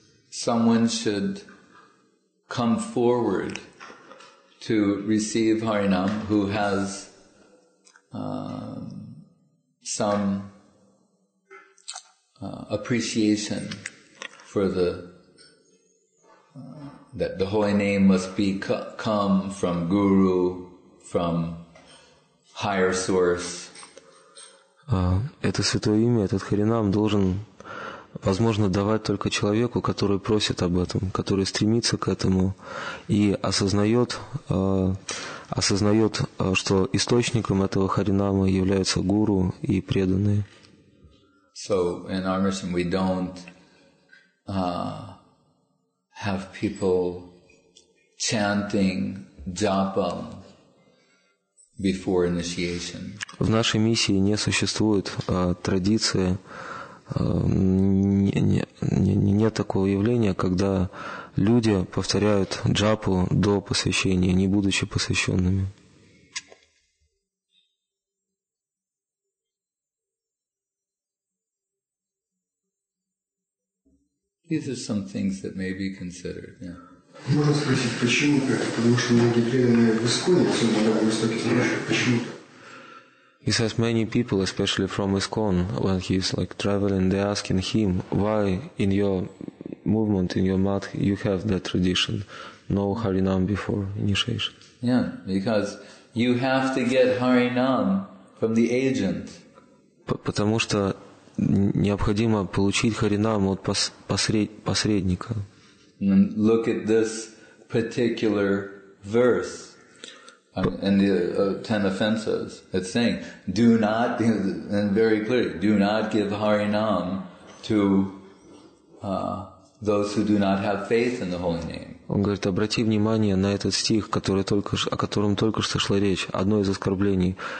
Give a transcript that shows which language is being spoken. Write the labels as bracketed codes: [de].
[en] Someone should come forward to receive Harinam who has some appreciation for the that the holy name must be come from Guru, from higher source. [ru] Это святое имя, этот харинам должен, возможно, давать только человеку, который просит об этом, который стремится к этому и осознает, что источником этого харинама является гуру и преданные. [en] So in our mission we don't have people chanting japam before initiation. [ru] В нашей миссии не существует традиции, нет такого явления, когда люди повторяют джапу до посвящения, не будучи посвященными. [en] These are some things that may be considered, yeah. [ru] Можно спросить, почему так? Потому что многие преданные в Исконе, особенно в Востоке, спрашивают, почему? [en] He says many people, especially from Iskon, when he's like traveling, they're asking him, why in your movement, in your math, you have that tradition, no Harinam before initiation? Yeah, because you have to get Harinam from the agent. [ru] Потому что необходимо получить харинам от посредника. [en] Look at this particular verse in the Ten Offenses. It's saying, do not, and very clearly, do not give harinam to those who do not have faith in the Holy Name. [ru] Он говорит, обрати внимание на этот стих, который только, о котором только что шла речь, одно из оскорблений.